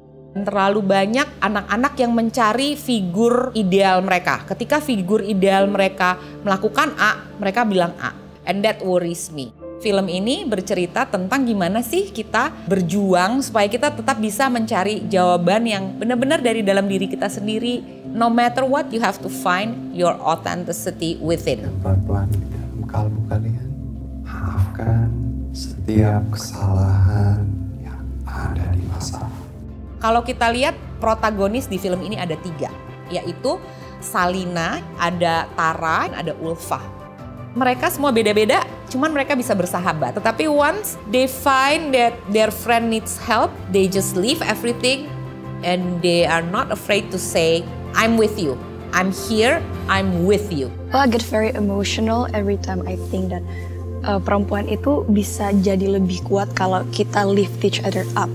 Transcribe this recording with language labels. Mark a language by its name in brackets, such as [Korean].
[Indonesian] Terlalu banyak anak-anak yang mencari figur ideal mereka. Ketika figur ideal mereka melakukan A, mereka bilang A. [English] And that worries me. [Indonesian] Film ini bercerita tentang gimana sih kita berjuang supaya kita tetap bisa mencari jawaban yang benar-benar dari dalam diri kita sendiri. [English] No matter what, you have to find your authenticity within. [Indonesian] Pelan-pelan di dalam kalbu kalian, maafkan setiap kesalahan yang ada di masa. Kalau kita lihat protagonis di film ini ada 3, yaitu Salina, ada Tara, ada Ulfa. Mereka semua beda-beda, cuman mereka bisa bersahabat. [English] Tetapi once they find that their friend needs help, they just leave everything and they are not afraid to say, I'm with you, I'm here, I'm with you. Well, I get very emotional every time I think that [Indonesian] perempuan itu bisa jadi lebih kuat kalau kita [English] lift each other up.